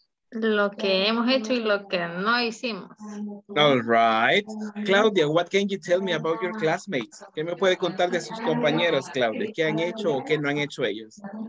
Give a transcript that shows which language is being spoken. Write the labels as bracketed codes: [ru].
[es] Lo que hemos hecho y lo que no hicimos. [en] All right. Claudia, what can you tell me about your classmates? [es] ¿Qué me puede contar de sus compañeros, Claudia? ¿Qué han hecho o qué no han hecho ellos?